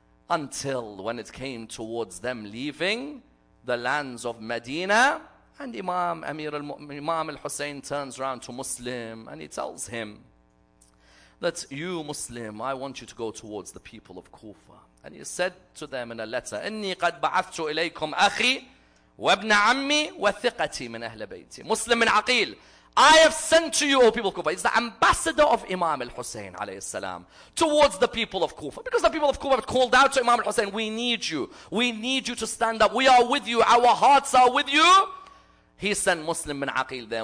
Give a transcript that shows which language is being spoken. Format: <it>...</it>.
<en>Until when it came towards them leaving the lands of Medina, and Imam al-Hussein turns around to Muslim and he tells him that you Muslim, I want you to go towards the people of Kufa. And he said to them in a letter,</en> <ar>إني قد بعثت إليكم أخي وابن عمي وثقتي من أهل بيتي.</ar> <en>Muslim bin Aqil, I have sent to you, O people of Kufa. He's the ambassador of Imam al-Hussein alayhi salam towards the people of Kufa. Because the people of Kufa have called out to Imam al-Hussein, we need you. We need you to stand up. We are with you. Our hearts are with you. He sent Muslim bin Aqil there.</en>